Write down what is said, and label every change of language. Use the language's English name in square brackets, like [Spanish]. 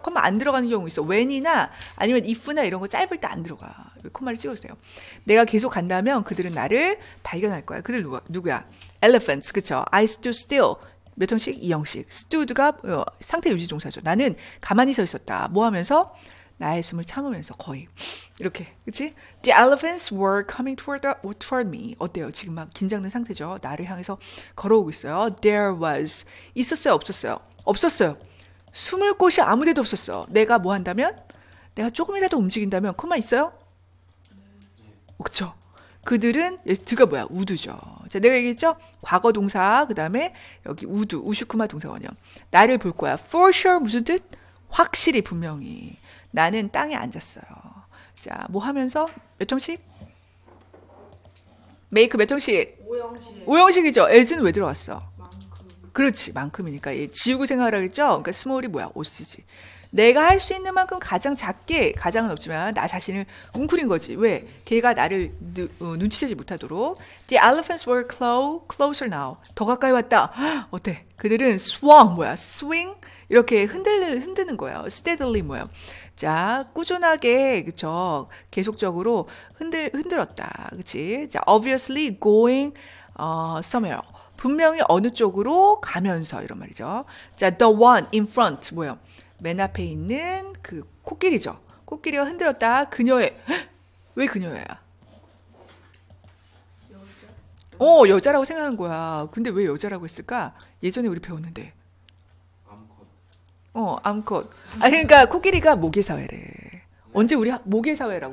[Korean] 콤마 안 들어가는 경우 있어. when이나 아니면 if나 이런 거 짧을 때안 들어가. 콤마를 찍어주세요. 내가 계속 간다면 그들은 나를 발견할 거야. 그들 누구야? Elephants, 그쵸? [English] I stood still. [Korean] 몇 형식? 2형식. stood가 상태 유지 동사죠. 나는 가만히 서 있었다. 뭐 하면서? 나의 숨을 참으면서 거의. 이렇게. 그치? [English] The elephants were coming toward me. [Korean] 어때요? 지금 막 긴장된 상태죠? 나를 향해서 걸어오고 있어요. [English] There was. [Korean] 있었어요? 없었어요? 없었어요. 숨을 곳이 아무 데도 없었어. 내가 뭐 한다면? 내가 조금이라도 움직인다면, 콤마 있어요? 그쵸? 그들은, 드가 뭐야? 우드죠. 자, 내가 얘기했죠? 과거 동사, 그 다음에 여기 우드, 우슈쿠마 동사원형. 나를 볼 거야. [English] For sure, [Korean] 무슨 뜻? 확실히, 분명히. 나는 땅에 앉았어요. 자, 뭐 하면서? 몇 형식? 메이크 몇 형식? 5형식이죠. 에즈는 왜 들어왔어? 그렇지, 만큼이니까. 얘 지우고 생각하라 그랬죠? 그러니까 스몰이 뭐야? 오스지. 내가 할수 있는 만큼 가장 작게, 가장은 없지만, 나 자신을 웅크린 거지. 왜? 걔가 나를 눈치채지 못하도록. [English] The elephants were closer now. [Korean] 더 가까이 왔다. 어때? 그들은 swung, 뭐야? swing? 이렇게 흔드는 거예요. steadily, 뭐야? 자, 꾸준하게, 그쵸? 계속적으로 흔들었다. 그치? [English] 자, obviously going somewhere. [Korean] 분명히 어느 쪽으로 가면서, 이런 말이죠. [English] 자, the one in front, 뭐야? [Korean] 맨 앞에 있는 그 코끼리죠. 코끼리가 흔들었다. 그녀의, 왜 그녀야? 여자라고 생각한 거야. 근데 왜 여자라고 했을까? 예전에 우리 배웠는데. 암컷. 아 그러니까 코끼리가 모계사회래. 언제 우리 모계사회라고?